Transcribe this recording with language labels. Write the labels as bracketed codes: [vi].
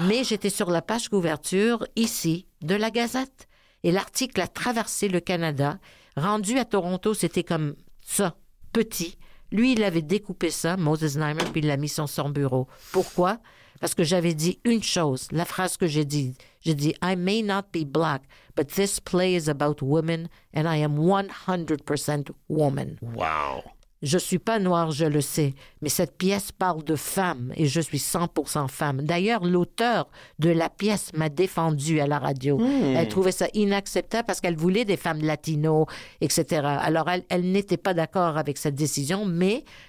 [fr] Mais j'étais sur la page couverture, ici, de la Gazette. Et l'article a traversé le Canada. Rendu à Toronto, c'était comme ça, petit. Lui, il avait découpé ça, Moses Neimer, puis il l'a mis sur son bureau. Pourquoi? Parce que j'avais dit une chose, la phrase que j'ai dit. J'ai dit, [en] I may not be black, but this play is about women and I am 100% woman. Wow. [fr] Je ne suis pas noire, je le sais, mais cette pièce parle de femmes et je suis 100% femme. D'ailleurs, l'auteur de la pièce m'a défendue à la radio. Mmh. Elle trouvait ça inacceptable parce qu'elle voulait des femmes latinos, etc. Alors, elle n'était pas d'accord avec cette décision, mais...